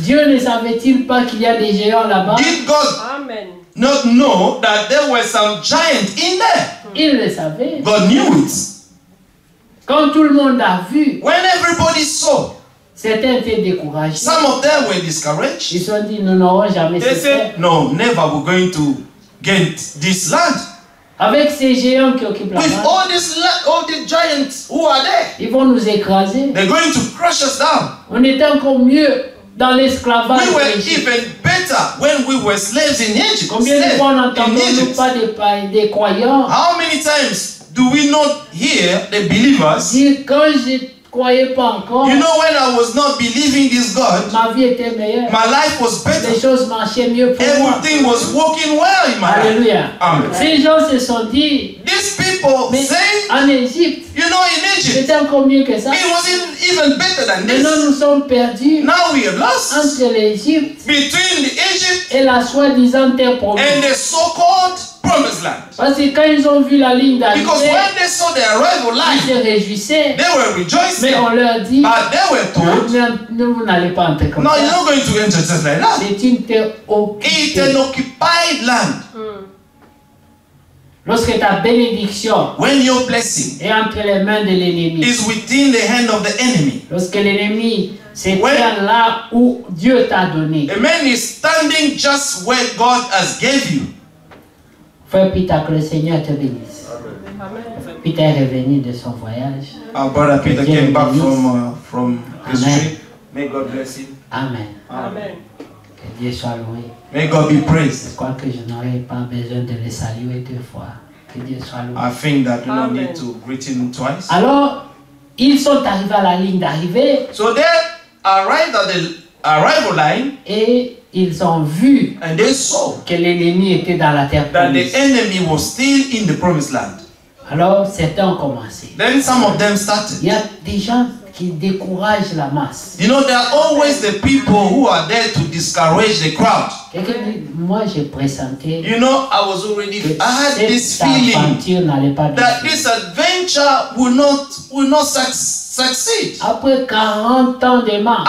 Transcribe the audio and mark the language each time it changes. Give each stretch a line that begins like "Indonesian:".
French: Dieu ne savait-il pas qu'il y a des géants là-bas?
English: Did God not know that there were some giants in there?
French: Il le savait.
English: God knew it.
French: Quand tout le monde a vu,
English: when everybody saw,
French: certains étaient découragés.
English: Some of them were discouraged.
French: Ils se sont dit, nous n'aurons jamais cette terre.
English: No, never we're going to get this land.
French: Avec ces géants qui occupent la terre.
English: With all this land, all the giants who are there.
French: Ils vont nous écraser.
English: They're going to crush us down.
French: On était encore mieux dans l'esclavage.
English: We were even better when we were slaves in Egypt.
French: Combien de fois n'entendons-nous pas des croyants?
English: How many times? Do we not hear the believers?
French: Quand je croyais pas encore,
English: you know when I was not believing this God,
French: ma vie était meilleure.
English: My life was better.
French: Les choses marchaient mieux pour
English: everything
French: moi.
English: Was working well in my Alleluia. Life. Amen.
French: Ces gens se sont dit,
English: these people say,
French: en Égypte,
English: you know in Egypt,
French: c'était encore mieux que ça.
English: It was even better than this.
French: Maintenant nous sommes perdus.
English: Now we are lost.
French: Entre l'Égypte,
English: between the Egypt,
French: et la soi-disant terre promise,
English: and the so-called
French: parce que quand ils ont vu la ligne d'arrivée, ils se réjouissaient.
English: They were rejoicing.
French: Mais on leur dit,
English: but they were told,
French: vous n'allez pas entrer comme
English: ça. No, you're not going to enter just like that.
French: C'est une terre occupée.
English: It's an occupied land.
French: Lorsque ta bénédiction,
English: when your blessing,
French: est entre les mains de l'ennemi,
English: is within the hand of the enemy.
French: Lorsque l'ennemi se tient là où Dieu t'a donné,
English: a man is standing just where God has gave you.
French: Frère Peter, que le Seigneur te bénisse.
English: Amen.
French: Peter est revenu de son voyage.
English: Our brother Peter came bénisse. Back from his trip. May God bless him. Amen. Amen.
French: Que Dieu soit loué.
English: May God be praised.
French: Je crois que je n'aurai pas besoin de le saluer deux fois. Que Dieu soit loué.
English: I think that we don't need to greet him twice.
French: Alors, ils sont arrivés à la ligne d'arrivée.
English: So they arrived at the arrival line.
French: Et ils ont vu
English: and they saw
French: que l'ennemi était dans la terre promise.
English: That the enemy was still in the promised land.
French: Alors certains ont commencé.
English: Then some of them started.
French: Il y a des gens qui découragent la masse.
English: You know there are always the people who are there to discourage the crowd.
French: Moi j'ai pressenti.
English: You know I was already I had this feeling that this adventure will not succeed.
French: Après 40 ans de marche.